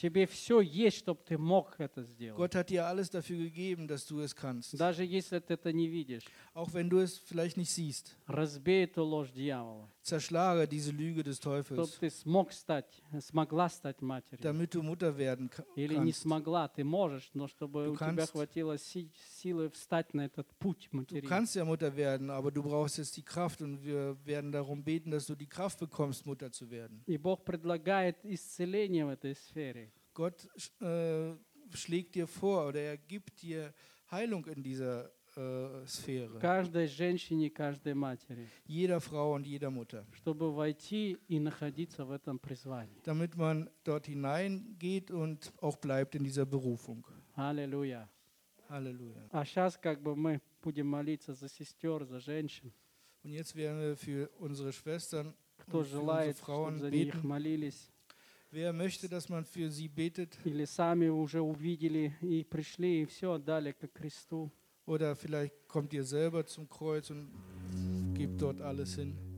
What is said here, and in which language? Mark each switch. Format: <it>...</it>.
<ru>Тебе все есть, чтобы ты мог это сделать.</ru> <de>Gott hat dir alles dafür gegeben, dass du es kannst.</de> <ru>Даже если ты это не видишь.</ru> <de>Auch wenn du es vielleicht nicht siehst.</de> <ru>Разбей эту ложь дьявола.</ru> <de>Zerschlage diese Lüge des Teufels.</de> <ru>Чтобы ты смог стать, смогла стать матерью.</ru> <de>Damit du Mutter werden kannst.</de> <ru>Или не смогла, ты можешь, но чтобы</ru> <de>du</de> <ru>у тебя хватило силы встать на этот путь материнства.</ru> <de>Du kannst ja Mutter werden, aber du brauchst jetzt die Kraft und wir werden darum beten, dass du die Kraft bekommst, Mutter zu werden.</de> <ru>И Бог предлагает исцеление в этой сфере.</ru> <de>Gott schlägt dir vor oder er gibt dir Heilung in dieser Сфера.</de> <ru>Каждой женщине, каждой матери.</ru> <de>Jeder Frau und jeder Mutter.</de> <ru>Чтобы войти и находиться в этом призвании.</ru> <de>Damit man dort hineingeht und auch bleibt in dieser Berufung. Halleluja. Halleluja.</de> <ru>А сейчас как бы мы будем молиться за сестер, за женщин.</ru> <de>Und jetzt werden wir für unsere Schwestern,</de> <ru>кто желает, чтобы за них молились.</ru> <de>Wer möchte, dass man für sie betet?</de> <ru>Или сами уже увидели и пришли и все отдали ко Христу.</ru> <de>Oder vielleicht kommt ihr selber zum Kreuz und gebt dort alles hin.</de>